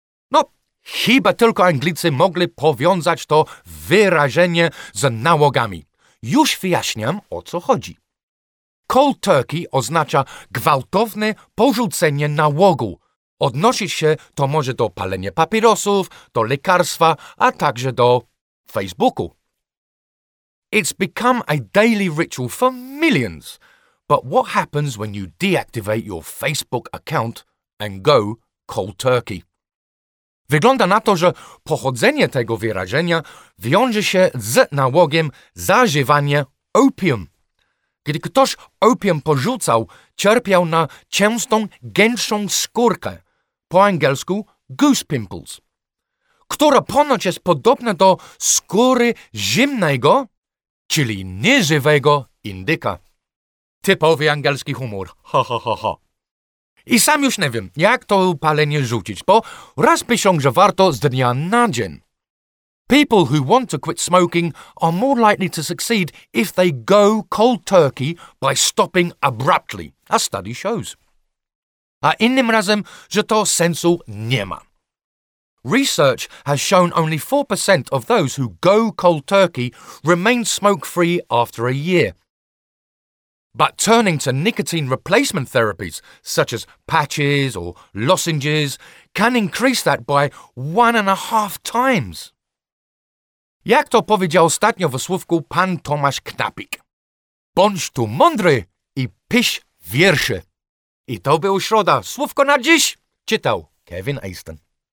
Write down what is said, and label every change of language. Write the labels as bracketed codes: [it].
[pl] No, chyba tylko Anglicy mogli powiązać to wyrażenie z nałogami. Już wyjaśniam, o co chodzi. Cold turkey oznacza gwałtowne porzucenie nałogu. Odnosi się to może do palenia papierosów, do lekarstwa, a także do Facebooku. [en] It's become a daily ritual for millions. But what happens when you deactivate your Facebook account and go cold turkey? [pl] Wygląda na to, że pochodzenie tego wyrażenia wiąże się z nałogiem zażywania opium. Gdy ktoś opium porzucał, cierpiał na częstą, gęstszą skórkę, po angielsku goose pimples, która ponoć jest podobna do skóry zimnego, czyli nieżywego indyka. Typowy angielski humor. Ha, ha, ha, ha. I sam już nie wiem, jak to palenie rzucić, bo raz piszą, że warto z dnia na dzień. [en] People who want to quit smoking are more likely to succeed if they go cold turkey by stopping abruptly, as study shows. [pl] A innym razem, że to sensu nie ma. [en] Research has shown only 4% of those who go cold turkey remain smoke-free after a year. But turning to nicotine replacement therapies, such as patches or lozenges, can increase that by 1.5 times. [pl] Jak to powiedział ostatnio w słówku pan Tomasz Knapik? Bądź tu mądry i pisz wiersze. I to był Środa. Słówko na dziś czytał Kevin Easton.